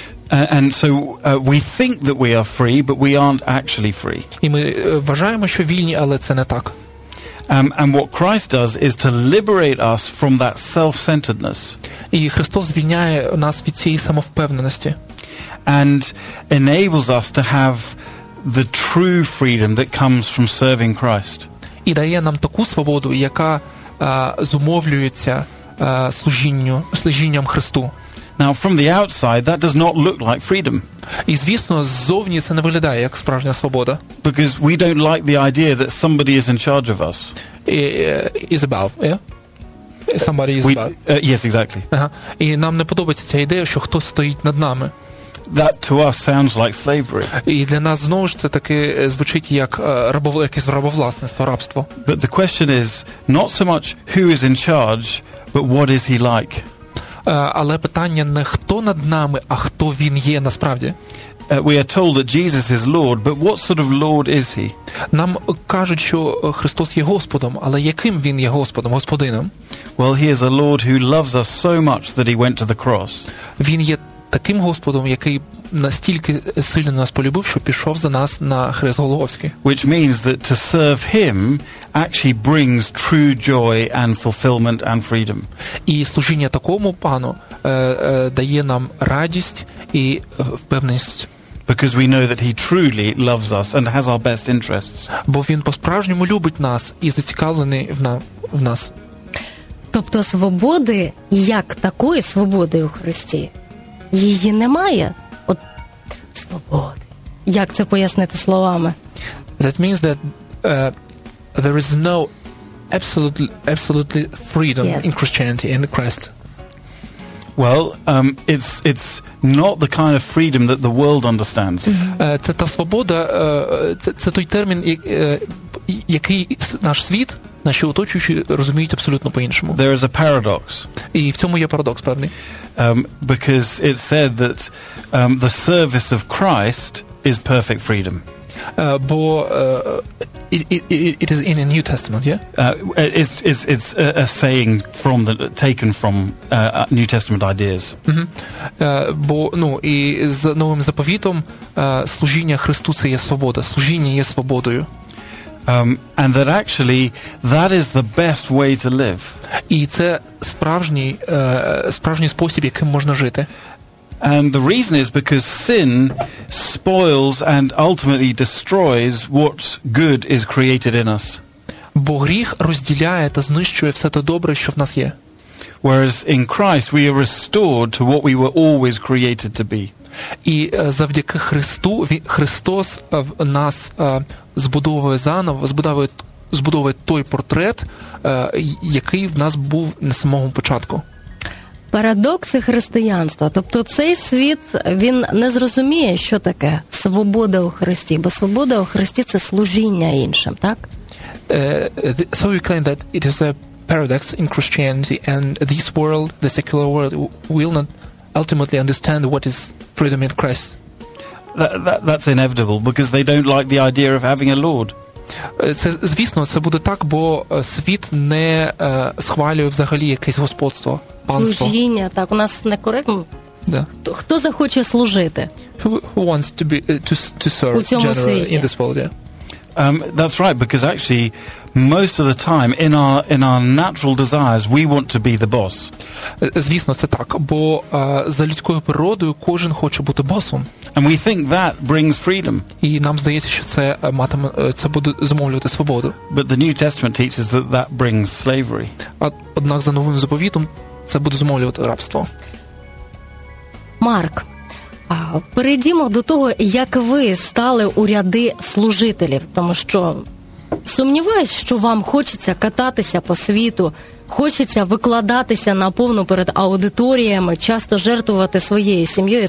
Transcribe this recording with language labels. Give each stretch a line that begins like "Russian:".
English: And so we think that we are free, but we aren't actually free.
Ukrainian: І ми вважаємо, що вільні, але це не так.
English: And what Christ does is to liberate us from that self-centeredness.
Ukrainian: І Христос звільняє нас від цієї самовпевненості.
English: And enables us to have the true freedom that comes from serving Christ.
Ukrainian: І дає нам таку свободу, яка зумовлюється служінням Христу.
English: Now from the outside that does not look like freedom.
Ukrainian: І звісно, ззовні це не виглядає як справжня свобода.
English: Because we don't like the idea that somebody is in charge of us. Is above, yeah? Somebody is above. Yes, exactly. Ага.
Ukrainian: І нам не подобається ця ідея, що хтось стоїть над нами.
English: That to us sounds like slavery.
Ukrainian: І для нас знову ж це таки звучить як рабовласництво, рабство.
English: But the question is not so much who is in charge, but what is he like?
Ukrainian: Але питання не хто над нами, а хто він є насправді.
English: We are told that Jesus is Lord, but what sort of Lord is he?
Ukrainian: Нам кажуть, що Христос є Господом, але яким він є Господом, господином?
English: Well, he is a Lord who loves us so much that he went to the cross.
Ukrainian: Він є таким Господом, який настільки сильно нас полюбив, що пішов за нас на хрест Голгофський.
English: Which means that to serve him actually brings true joy and fulfillment and freedom.
Ukrainian: І служіння такому пану дає нам радість і впевненість.
English: Because we know that he truly loves us and has our best interests.
Ukrainian: Бо він по-справжньому любить нас і зацікавлений в нас. Тобто свободи, як такої свободи у Христі, її немає. От свободи. Як це пояснити словами?
English: That means that there is no absolutely freedom yes. in Christianity in Christ. Well, it's not the kind of freedom that the world understands. Це та свобода, це той термін, який наш світ, наші оточуючі розуміють абсолютно по-іншому. There is a paradox.
Ukrainian: І в цьому є парадокс певний.
English: Because it said that the service of Christ is perfect freedom. Бо it is in the New Testament, yeah? It's a saying from the taken from New Testament ideas. Mm-hmm.
Ukrainian: Бо, ну, і з Новим Заповітом служіння Христу це є свобода. Служіння є свободою.
English: And that actually that is the best way to live.
Ukrainian: І це справжній справжній спосіб, яким можна жити.
English: And the reason is because sin spoils and ultimately destroys what good is created in us.
Ukrainian: Бо гріх розділяє та знищує все те добре, що в нас є.
English: Whereas in Christ we are restored to what we were always created to be.
Ukrainian: І завдяки Христу Христос в нас збудовує заново, збудовує той портрет, який в нас був на самому початку. Парадокси християнства. Тобто цей світ, він не зрозуміє, що таке свобода у Христі, бо свобода у Христі – це служіння іншим, так?
English: So you claim that it is a paradox in Christianity, and this world, the secular world, will not ultimately understand what is freedom in Christ. That's inevitable, because they don't like the idea of having a Lord.
Ukrainian: Це, звісно, це буде так, бо світ не схвалює взагалі якесь господство, панство. Служіння, так, у нас не коректно. Да. Хто захоче служити?
English: Who wants to be to serve
Ukrainian: у цьому
English: general,
Ukrainian: світі?
English: In this world, yeah. That's right, because actually most of the time in our natural desires we want to be the boss.
Ukrainian: Звісно, це так, бо за людською природою кожен хоче бути босом.
English: And we think that brings freedom.
Ukrainian: І нам здається, що це буде зумовлювати свободу.
English: But the New Testament teaches that brings slavery.
Ukrainian: Однак за Новим Заповітом це буде зумовлювати рабство. Марк, перейдімо до того, як ви стали у ряди служителів, тому що сумніваюсь, що вам хочеться кататися по світу, хочеться викладатися наповну перед аудиторіями, часто жертвувати своєю сім'єю.